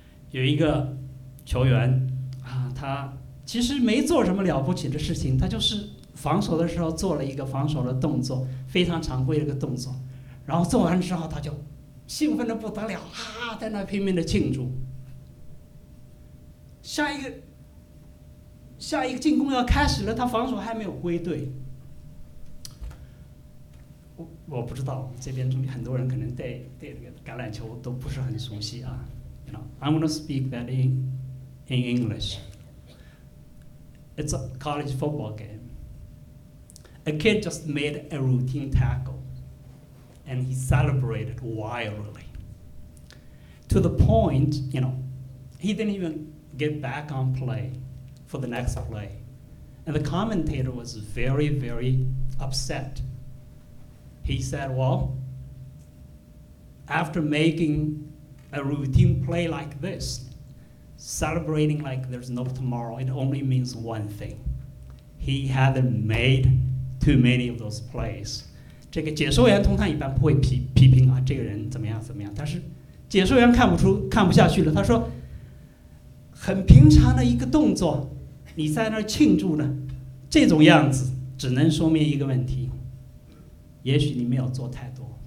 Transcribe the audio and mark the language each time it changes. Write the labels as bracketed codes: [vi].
[zh] 有一个球员啊，他其实没做什么了不起的事情，他就是防守的时候做了一个防守的动作，非常常规的一个动作，然后做完之后他就兴奋得不得了啊，在那拼命的庆祝。下一个进攻要开始了，他防守还没有归队。我不知道这边很多人可能对这个橄榄球都不是很熟悉啊。 [en] You know, I'm going to speak that in English. It's a college football game. A kid just made a routine tackle and he celebrated wildly. To the point, you know, he didn't even get back on play for the next play. And the commentator was very, very upset. He said, well, after making a routine play like this,celebrating like there's no tomorrow, it only means one thing. He hadn't made too many of those plays. [zh] 这个解说员通常一般不会批评啊，这个人怎么样怎么样。但是解说员看不下去了，他说，很平常的一个动作，你在那庆祝呢，这种样子只能说明一个问题，也许你没有做太多。